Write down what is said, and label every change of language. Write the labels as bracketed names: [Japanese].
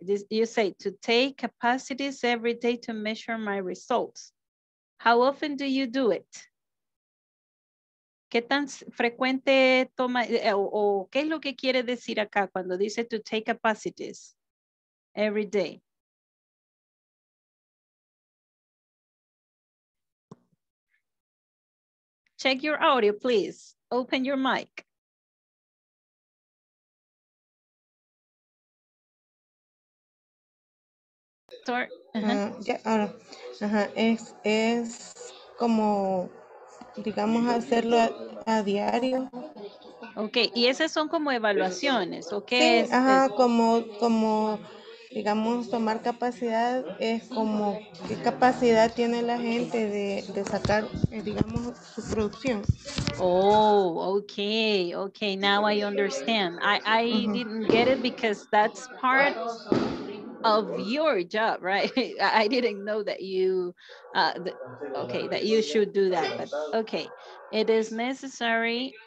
[English] This, you say to take capacities every day to measure my results. How often do you do it? [Spanish] ¿Qué tan frecuente toma, o qué es lo que quiere decir acá cuando dice [English] to take capacities every day? Check your audio, please. Open your mic. [Spanish] Es como... digamos hacerlo a diario. Okay, y esas son como evaluaciones, ¿o qué es? Ajá, como digamos tomar capacidad es como qué capacidad tiene la gente de sacar digamos su producción. [English] Okay, now I understand. I didn't get it because that's part of your job, right? I didn't know that you should do that, but okay, it is necessary.